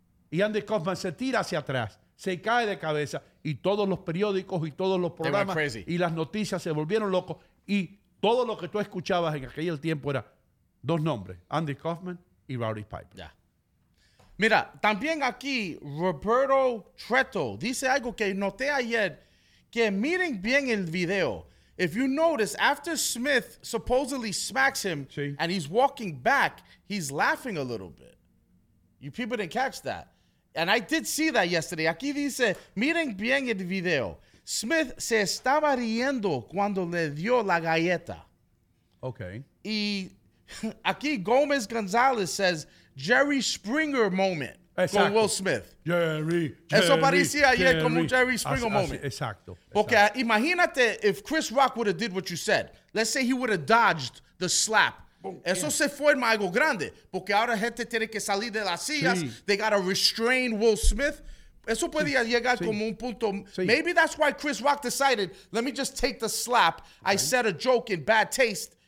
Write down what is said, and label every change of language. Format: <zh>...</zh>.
<es>Y Andy Kaufman se tira hacia atrás, se cae de cabeza y todos los periódicos y todos los programas y las noticias se volvieron locos y todo lo que tú escuchabas en aquel tiempo era dos nombres, Andy Kaufman y Rowdy Piper.</es> <en>Yeah.</en> <es>Mira, también aquí Roberto Treto dice algo que noté ayer, que miren bien el video.</es> <en>If you notice, after Smith supposedly smacks him</en> <es>sí.</es> <en>And he's walking back, he's laughing a little bit. You people didn't catch that. And I did see that yesterday.</en> <es>Aquí dice, miren bien el video. Smith se estaba riendo cuando le dio la galleta.</es> <en>Okay.</en> <es>Y aquí Gomez Gonzalez says, Jerry Springer moment. Exacto. Con Will Smith. Jerry. Eso parecía Jerry, ayer como un Jerry Springer moment. Exacto. Porque imagínate</es> <en>if Chris Rock would have did what you said. Let's say he would have dodged the slap.</en> <es>Oh, eso yeah. Se fue en algo grande. Porque ahora gente tiene que salir de las sillas. Sí.</es> <en>They got to restrain Will Smith.</en> <es>Eso podía llegar sí. Como un punto. Sí.</es> <en>Maybe that's why Chris Rock decided, let me just take the slap. Right. I said a joke in bad taste.</en>